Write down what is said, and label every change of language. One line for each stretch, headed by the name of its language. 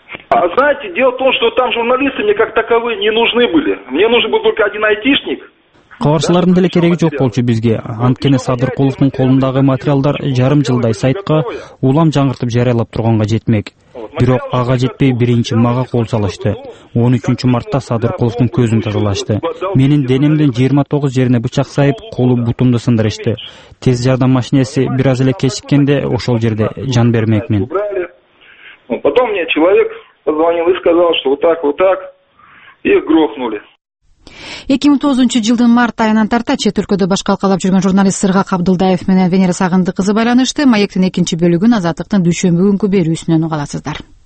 Russian: А знаете, дело в том, что там журналисты мне как таковые не нужны были. Мне нужен был только один айтишник.
Kyrgyz: Кабарчылардын деле кереги жок болчу бизге. Анткени Садыркуловдун колундагы материалдар жарым жылдай сайтка улам жаңыртып жарыялап турганга жетмек. Бирок ага жетпей биринчи мага кол салышты. 13 мартта Садыркуловдун көзүн тазалашты. Менин денемдин 29 жерине бычак сайып, колу бутумду сындырышты. Тез жардам машинеси бир аз эле кечиккенде ошол жерде жан бермекмин.
Russian: Потом мне человек позвонил и сказал, что вот так, вот так. И грохнули.
Kyrgyz: 2009 жылдын март айынан тарта чет өлкөдө башкалкалап жүргөн журналист Сыргак Абдылдаев менен Венера Сагынды кызы байланышты. Маектин экинчи бөлүгүн Азаттыктын дүйшөмбү күнкү берүүсүнөн угаласыздар.